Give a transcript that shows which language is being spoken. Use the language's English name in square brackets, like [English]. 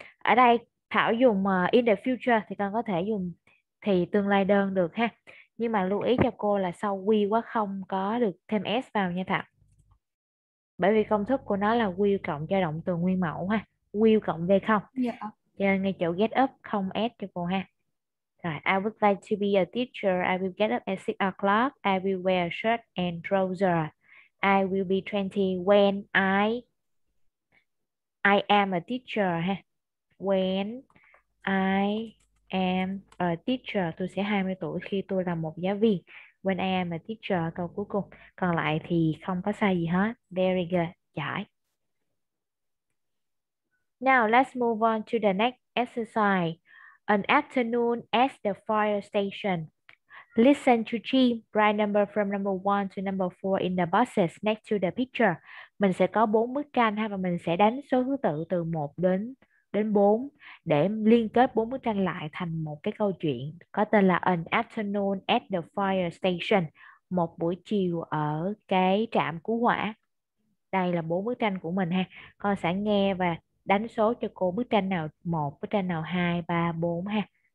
[Vietnamese] Ở đây Thảo dùng in the future thì con có thể dùng thì tương lai đơn được ha. Nhưng mà lưu ý cho cô là sau will quá không có được thêm s vào nha Thảo. Bởi vì công thức của nó là will cộng cho động từ nguyên mẫu ha. Will cộng về không. Cho nên ngay chỗ get up không s cho cô ha. [English] Rồi, I would like to be a teacher. I will get up at 6 o'clock. I will wear a shirt and trouser. I will be 20 when I am a teacher. Ha. When I am a teacher. [Vietnamese] Tôi sẽ 20 tuổi khi tôi là một giáo viên. [English] When I am a teacher. [Vietnamese] Câu cuối cùng. Còn lại thì không có sai gì hết. [English] Very good. [Vietnamese] Giỏi. [English] Now let's move on to the next exercise. An afternoon at the fire station. Listen to Jim, write number from number 1 to number 4 in the boxes next to the picture. [Vietnamese] Mình sẽ có 4 bức tranh ha và mình sẽ đánh số thứ tự từ 1 đến đến 4 để liên kết 4 bức tranh lại thành một cái câu chuyện có tên là An afternoon at the fire station, một buổi chiều ở cái trạm cứu hỏa. Đây là 4 bức tranh của mình ha. Con sẽ nghe và đánh số cho cô bức tranh nào 1, bức tranh nào 2, 3, 4 ha.